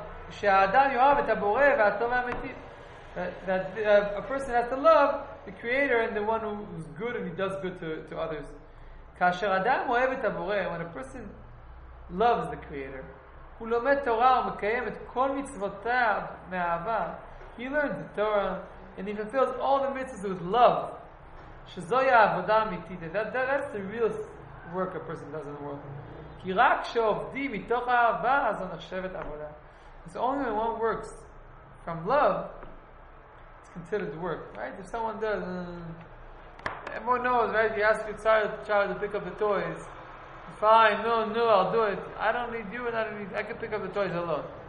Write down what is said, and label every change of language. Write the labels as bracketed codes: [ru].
[he] שהאדם יאהב את הבורא והטוב והאמיתי. [en] That a person has to love the creator and the one who's good and he does good to others. [he] כאשר אדם אוהב את הבורא, [en] when a person loves the creator, [he] הוא לומד תורה ומקיים את כל מצוותיה מאהבה. [en] He learns the Torah and he fulfills all the mitzvahs with love. [he] שזוהי העבודה האמיתית. [en] That's the real work a person does in the world. [he] כי רק כשעובדים מתוך האהבה, אז הוא נחשבת עבודה. [en] It's only when one works from love, it's considered work, right? If someone does, everyone knows, right? You ask your child to pick up the toys. Fine, no, I'll do it. I don't need you, I can pick up the toys alone.